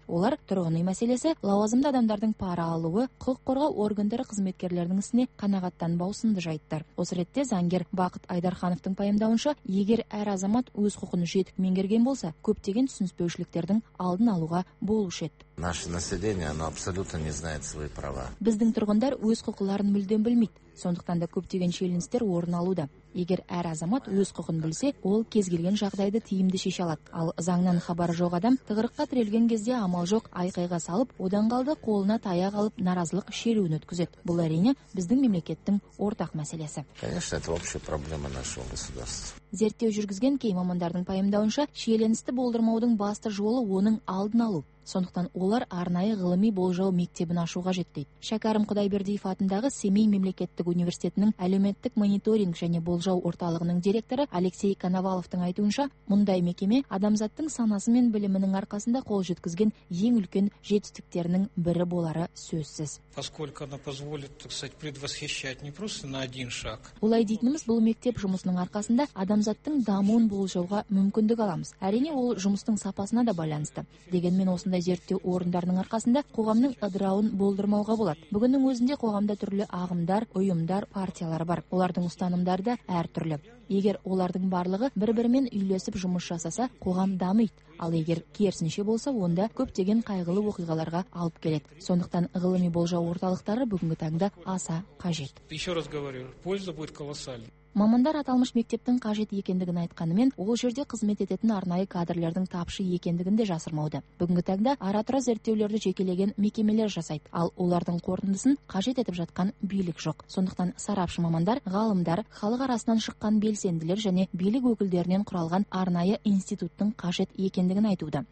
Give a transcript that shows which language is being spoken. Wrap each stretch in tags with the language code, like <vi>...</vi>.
<kk>Олар тұрғын үй мәселесі, лауазымды адамдардың пара алуы, қорғау органдары қызметкерлерінің ісіне қанағаттанбау сынды жайттар. Осы ретте заңгер Бақыт Айдархановтың пайымдауынша, егер әр азамат өз құқын жетік меңгерген болса, көптеген түсініспеушіліктердің алдын алуға болушы еді.</kk> <ru>Наше население абсолютно не знает свои права.</ru> <kk>Біздің тұрғындар өз құқыларын мүлдем білмейді. Сондықтан да көптеген шиеленістер орын алуда. Егер әр азамат өз құқын білсе, ол кез келген жағдайды тиімді шеше алады. Ал заңнан хабары жоқ адам тығырыққа тірелген кезде амал жоқ айқайға салып, одан қалды қолына таяқ алып наразылық шеруін өткізеді. Бұл әрине біздің мемлекеттің ортақ мәселесі.</kk> <ru>Конечно, это общая проблема нашего государства.</ru> <kk>Зерттеу жүргізген кей мамандардың пайымдауынша, шиеленісті болдырмаудың басты жолы оның алдын алу. Сондықтан олар арнайы ғылыми болжау мектебін ашуға жеттейді. Шәкәрім Құдайбердиев атындағы Семей мемлекеттік университетінің әлеуметтік мониторинг және болжау орталығының директоры Алексей Коноваловтың айтуынша, мұндай мекеме адамзаттың санасы мен білімінің арқасында қол жеткізген ең үлкен жетістіктерінің бірі болары сөзсіз.</kk> <ru>Поскольку она позволит, так сказать, предвосхищать не просто на один шаг.</ru> <kk>Олай дейтініміз, бұл мектеп жұмысының арқасында адамзаттың дамуын болжауға мүмкіндік аламыз. Әрине, ол жұмыстың сапасына да байланысты. Дегенмен, осындай зерттеу орындарының арқасында қоғамның ыдырауын болдырмауға болады. Бүгіннің өзінде қоғамда түрлі ағымдар, ұйымдар, партиялар бар. Олардың ұстанымдары да әртүрлі. Егер олардың барлығы бір-бірімен үйлесіп жұмыс жасаса, қоғам дамиды. Ал егер керісінше болса, онда көптеген қайғылы оқиғаларға алып келеді. Сондықтан ғылыми болжау орталықтары бүгінгі таңда аса қажет.</kk> <ru>Еще раз говорю, польза будет колоссальна.</ru> <kk>Мамандар аталмыш мектептің қажет екендігін айтқанымен, ол жерде қызмет ететін арнайы кадрлердің тапшы екендігін де жасырмауды. Бүгінгі таңда аратура зерттеулерді жекелеген мекемелер жасайды, ал олардың қорытындысын қажет етіп жатқан билік жоқ. Сондықтан сарапшы мамандар, ғалымдар, халық арасынан шыққан белсенділер және билік өкілдерінен құралған арнайы институттың қажет екендігін айтуды.</kk>